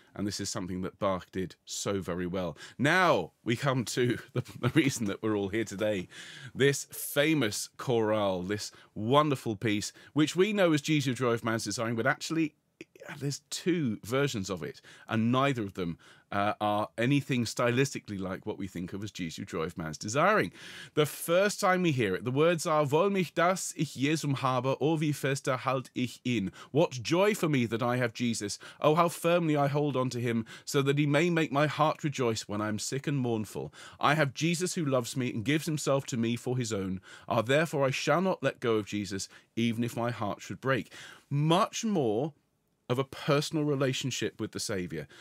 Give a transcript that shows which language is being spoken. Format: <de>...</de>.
<en>And this is something that Bach did so very well. Now we come to the reason that we're all here today. This famous chorale, this wonderful piece, which we know as Jesu Joy of Man's Desiring, but actually there's two versions of it, and neither of them are anything stylistically like what we think of as Jesu Joy of Man's Desiring. The first time we hear it, the words are,</en> <de>Woll mich, dass ich Jesum habe, o wie fester halt ich ihn.</de> <en>What joy for me that I have Jesus. Oh, how firmly I hold on to him, so that he may make my heart rejoice when I am sick and mournful. I have Jesus who loves me and gives himself to me for his own. Therefore I shall not let go of Jesus, even if my heart should break. Much more of a personal relationship with the Saviour.</en>